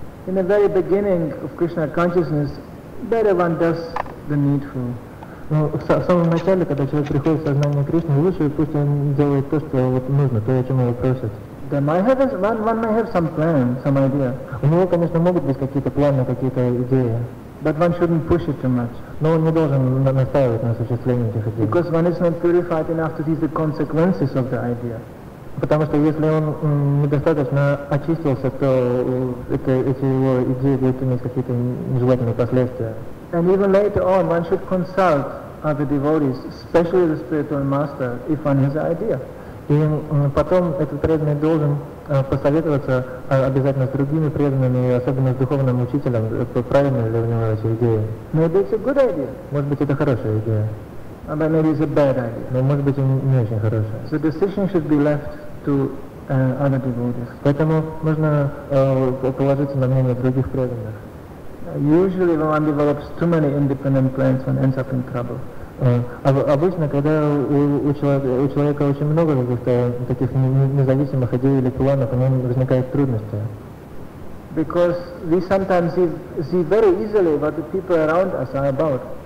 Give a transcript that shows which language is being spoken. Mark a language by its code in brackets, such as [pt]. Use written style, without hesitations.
[en] In the very beginning of Krishna consciousness, better one does the needful. [ru] Ну, в самом начале, когда человек приходит в сознание Кришны, лучше пусть он делает то, что вот нужно, то, о чем его просят. [en] Then I have one may have some plan, some idea. [ru] У него, конечно, могут быть какие-то планы, какие-то идеи. [en] But one shouldn't push it too much. [ru] Но он не должен настаивать на осуществлении этих идей. [en] Because one is not purified enough to see the consequences of the idea. [ru] Потому что если он недостаточно очистился, то эти его идеи будут иметь какие-то нежелательные последствия. [en] And even later on, one should consult other devotees, especially the spiritual master, if one has an idea. [ru] И потом этот преданный должен посоветоваться обязательно с другими преданными, особенно с духовным учителем, правильно ли у него эти идеи. [en] Maybe it's a good idea. [ru] Может быть, это хорошая идея. [en] But maybe it's a bad idea. [ru] Но может быть, не очень хорошая. [en] The decision should be left to other devotees. [ru] Поэтому нужно положиться на мнение других преданных. [en] Usually, when one develops too many independent plans, one ends up in trouble. [ru] Обычно, когда у человека очень много каких-то таких независимых идей или планов, у него возникают трудности. [en] Because we sometimes see very easily what the people around us are about.